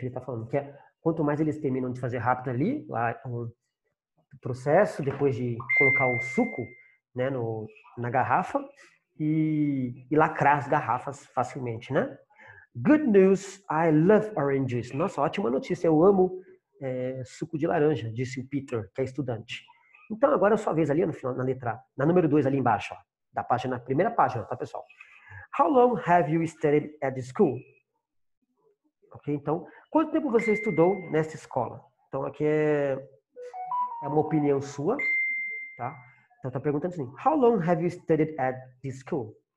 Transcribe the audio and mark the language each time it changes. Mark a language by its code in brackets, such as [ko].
[pt] Ele está falando que quanto mais eles terminam de fazer rápido ali, lá o processo, depois de colocar o suco, né, na garrafa e lacrar as garrafas facilmente, né? [en] Good news, I love oranges. [pt] Nossa, ótima notícia, eu amo suco de laranja, disse o Peter, que é estudante. Então agora é a sua vez ali no final, na número 2 ali embaixo, ó. Da página, primeira página, tá, pessoal? [en] How long have you studied at the school? [pt] Ok, então, quanto tempo você estudou nessa escola? Então, aqui é uma opinião sua, tá? Então, tá perguntando assim, [en] how long have you studied at the school?